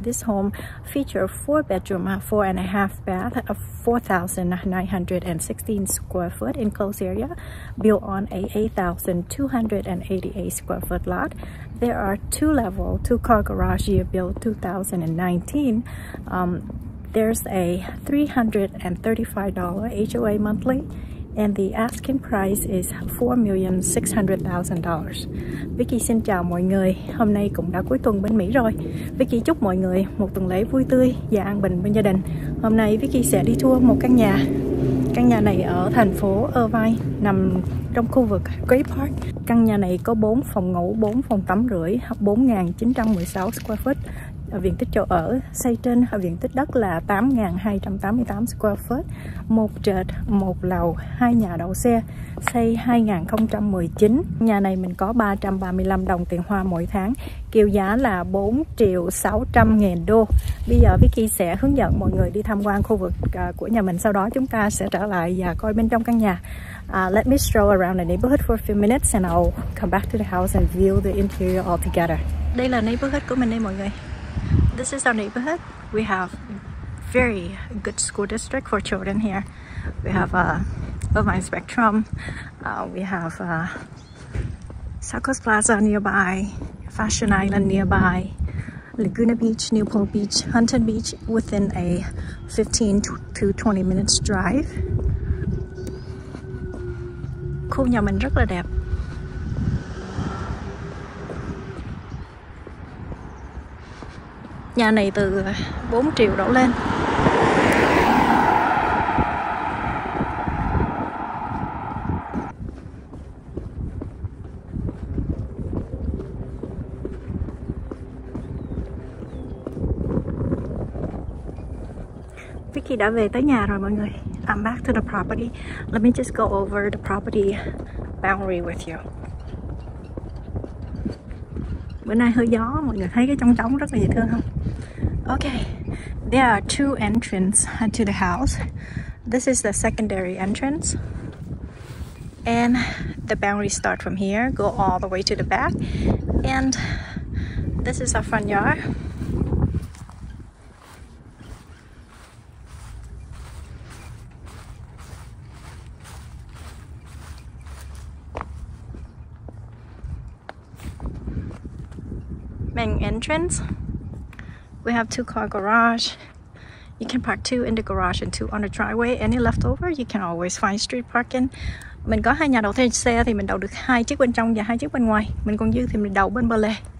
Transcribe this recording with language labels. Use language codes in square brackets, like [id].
[en] This home features a 4-bedroom, 4.5-bath, a 4,916 square foot enclosed area built on a 8,288 square foot lot. There are two-level, two-car garage year built 2019. There's a $335 HOA monthly, and the asking price is $4,600,000. [vi] Vicky xin chào mọi người. Hôm nay cũng đã cuối tuần bên Mỹ rồi. Vicky chúc mọi người một tuần lễ vui tươi và an bình bên gia đình. Hôm nay Vicky sẽ đi tour một căn nhà. Căn nhà này ở thành phố Irvine, nằm trong khu vực Great Park. Căn nhà này có 4 phòng ngủ, 4 phòng tắm rưỡi, 4,916 square foot. Diện tích chỗ ở xây trên diện tích đất là 8,288 square foot, một trệt, một lầu, hai nhà đậu xe, xây 2019. Nhà này mình có 335 đồng tiền hoa mỗi tháng, kiều giá là 4,600,000 đô. Bây giờ Vicky sẽ hướng dẫn mọi người đi tham quan khu vực của nhà mình, sau đó chúng ta sẽ trở lại và coi bên trong căn nhà. [en] Let me stroll around the neighborhood for a few minutes and I'll come back to the house and view the interior all together. [vi] Đây là neighborhood của mình đây mọi người. [en] This is our neighborhood. We have very good school district for children here. We have Irvine Spectrum. We have Circus Plaza nearby, Fashion Island nearby, Laguna Beach, Newport Beach, Huntington Beach within a 15 to 20 minutes drive. [vi] Khu nhà mình rất là đẹp. Nhà này từ 4 triệu đổ lên. Vicky đã về tới nhà rồi mọi người. [en] I'm back to the property. Let me just go over the property boundary with you. [vi] Bữa nay hơi gió, mọi người thấy cái trống trống rất là dễ thương không? [en] Okay, there are two entrances to the house. This is the secondary entrance. And the boundary start from here, go all the way to the back. And this is our front yard. Main entrance. We have two-car garage. You can park two in the garage and two on the driveway. Any leftover, you can always find street parking. [vi] Mình có hai nhà đậu xe thì mình đậu được hai chiếc bên trong và hai chiếc bên ngoài. Mình còn dư thì mình đậu bên bờ lề.